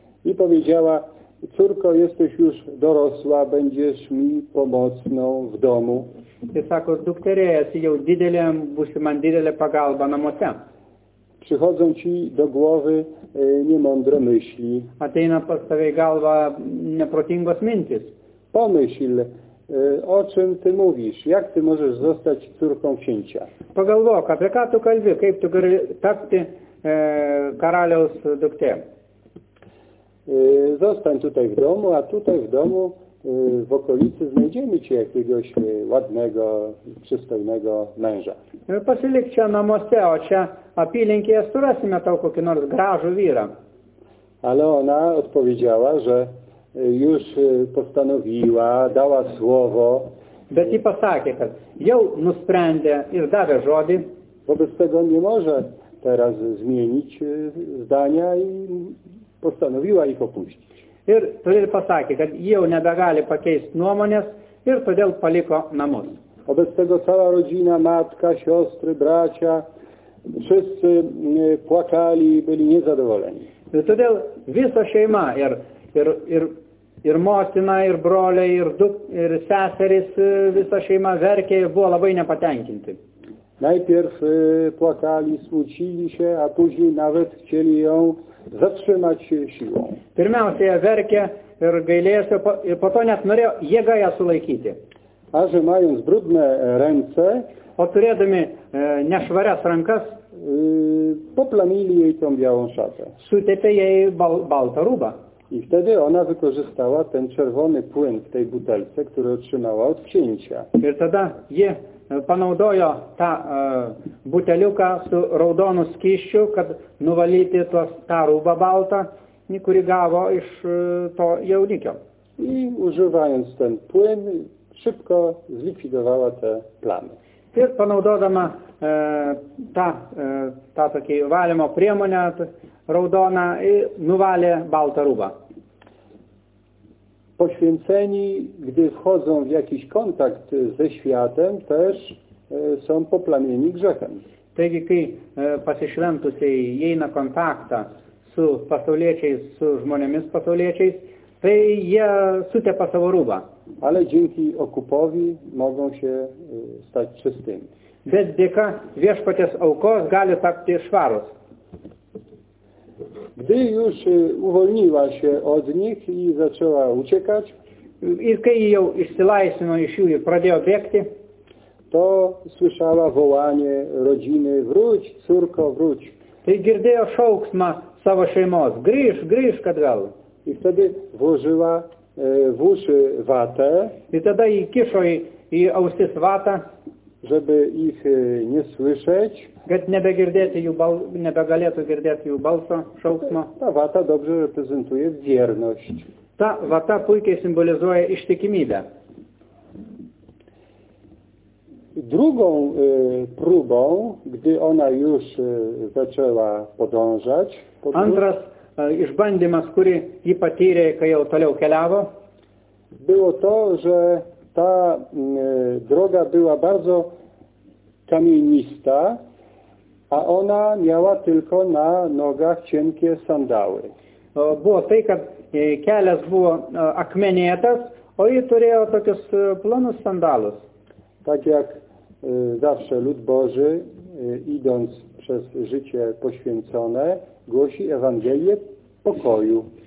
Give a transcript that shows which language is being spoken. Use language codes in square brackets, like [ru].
[pl] I powiedziała, córko, jesteś już dorosła, będziesz mi pomocną w domu. [lt] Ir sako, dukterė, esi jau didelė, būsi man didelė pagalba namuose. [pl] Przychodzą ci do głowy niemądre myśli. [lt] Ateina pas tavę galvą neprotingos mintis. [pl] Pomyśl, o czym ty mówisz, jak ty możesz zostać córką księcia. [lt] Pagalvok, apie ką tu kalbi, kaip tu gali tapti karaliaus dukterė. [pl] Zostań tutaj w domu, a tutaj w domu w okolicy znajdziemy ci jakiegoś ładnego, przystojnego męża. [lt] Pasilik čia namuose, o čia apylinkėje surasime tau kokį nors gražų vyrą. [pl] Ale ona odpowiedziała, że już postanowiła, dała słowo. [lt] Bet ji pasakė, kad jau nusprendė ir davė žodį. [pl] Wobec tego nie może teraz zmienić zdania i postanowiła ich opuścić. [lt] Ir todėl pasakė, kad jie jau nebegali pakeisti nuomonės ir todėl paliko namus. [pl] Obec tego cała rodzina, matka, siostry, bracia, wszyscy płakali i byli niezadowoleni. [lt] Ir todėl visa šeima ir motina, ir broliai, ir seserys, visa šeima verkė ir buvo labai nepatenkinti. [pl] Najpierw płakali, smucili się, a później nawet chcieli ją zatrzymać siłą. [lt] Pirmiausia jie verkė ir gailėjosi, ir po to net norėjo jėga ją sulaikyti. [pl] A že mając brudne ręce, [lt] o turėdami nešvarias rankas, [pl] poplamili jej tą białą szatę. [lt] Sutepė jej baltą rūbą. [pl] I wtedy ona wykorzystała ten czerwony płyn w tej butelce, który otrzymała od księcia. [lt] Ir tada jie panaudojo tą buteliuką su raudonu skysčiu, kad nuvalyti tą rūbą baltą, kuri gavo iš to jaunikio. [pl] I używając ten płyn, szybko zlikwidowała te plamy. [lt] Ir panaudodama tą tokį valymo priemonę raudoną, nuvalė baltą rūbą. [pl] Poświęceni, gdy wchodzą w jakiś kontakt ze światem, też są poplamieni grzechem. [lt] Taigi, kai pasišventusiai įeina kontaktą su pasauliečiais, su žmonėmis pasauliečiais, tai jie sutepa savo rūbą. [pl] Ale dzięki okupowi mogą się stać czystymi. [lt] Bet dėka viešpaties aukos gali tapti švarus. [pl] Gdy już uvolniła się od nich i zaczęła uciekać, [lt] i kai jau išsilaisino iš jų ir pradėjo bėgti, [pl] to słyszała wołanie rodziny, wróć, córko, wróć. [lt] Tai girdėjo šauksmą savo šeimos, grįž, grįž, kad gal. [pl] I wtedy włożyła w uszy watę. [lt] I tada jej kiszo i ausis watę, [pl] żeby ich nie słyszeć. [lt] Kad nebegirdėti jų bal, nebegalėtų girdėti jų balso šauksmo. [pl] Ta vata dobrze reprezentuje wierność. [lt] Ta vata puikiai simbolizuoja ištikimybę. [pl] Drugą próbą, gdy ona już zaczęła podążać. [lt] Antras išbandymas, kurį ji patyrė, kai jau toliau keliavo. [pl] Było to, że ta droga była bardzo kamienista, a ona miała tylko na nogach cienkie sandały. [lt] Buvo tai, kad kelias buvo akmenėtas, o ji turėjo tokius plonus sandalus. [pl] Tak jak zawsze lud Boży, idąc przez życie poświęcone, głosi Ewangelię pokoju.